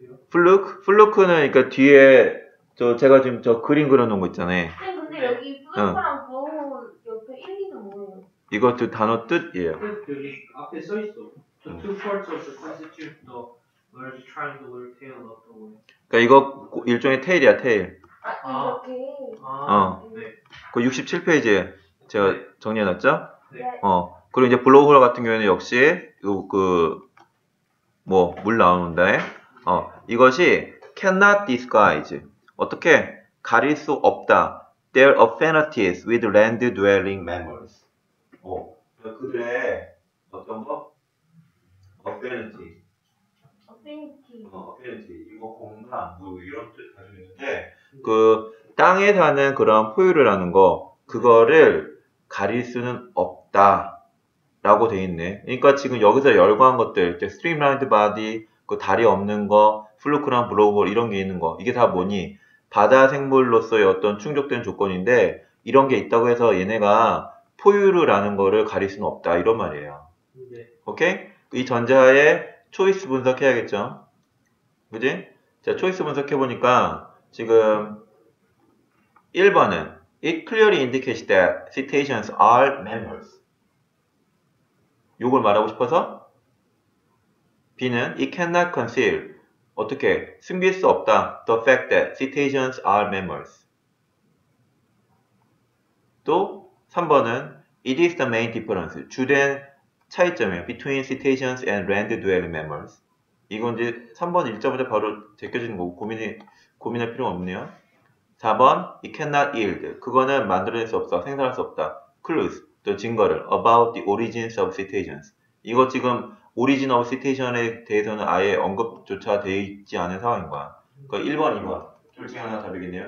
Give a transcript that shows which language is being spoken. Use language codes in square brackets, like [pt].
[ko] fluke는 그러니까 뒤에 저 제가 지금 저 그림 그려놓은 거 있잖아요. 근데 여기 블루크랑 보호 옆에 1, 2는 뭐예요? 이것도 단어 뜻이에요. 여기 앞에 써 있어. [en] The two parts of the constitute the large triangular tail of the whale. [ko] 그러니까 이거 일종의 테일이야, 테일. 아, 이렇게. 그 67페이지에 제가 정리해놨죠? 그리고 이제 블로우홀 같은 경우에는 역시 뭐물 나오는데, 이것이 [en] cannot disguise [ko] 어떻게 가릴 수 없다. [en] Their affinities with land-dwelling mammals. [ko] 그들의 어떤 거? affinity. [en] affinity. affinity. [ko] 이거 공간 뭐 이런 뜻 가지고 있는데 그 땅에 사는 그런 포유류라는 거 그거를 가릴 수는 없다 라고 돼 있네. 그러니까 지금 여기서 열거한 것들 스트림라인드 바디 그 다리 없는 거 플루크랑 블로우홀 이런 게 있는 거 이게 다 뭐니 바다 생물로서의 어떤 충족된 조건인데 이런 게 있다고 해서 얘네가 포유류라는 거를 가릴 수는 없다 이런 말이에요. 오케이? 이 전제하에 초이스 분석 해야겠죠. 그지? 자, 초이스 분석해 보니까 지금 1번은 [en] It clearly indicates that cetaceans are mammals. [ko] 요걸 말하고 싶어서 B는 [en] It cannot conceal [ko] 어떻게 숨길 수 없다 [en] the fact that cetaceans are mammals. [ko] 또 3번은 [en] It is the main difference [ko] 주된 차이점이에요. [en] Between cetaceans and land-dwelling mammals. [ko] 이건 이제 3번 읽자마자 바로 제껴지는 거고 고민할 필요가 없네요. [en] 4번, it cannot yield. [ko] 그거는 만들어낼 수 없어. 생산할 수 없다. [en] Clues, [ko] 또 증거를. [en] About the origins of cetaceans. [ko] 이거 지금 origin of cetacean에 대해서는 아예 언급조차 돼 있지 않은 상황인 거야. 그 1번, 2번. 둘 중에 하나 다르겠네요.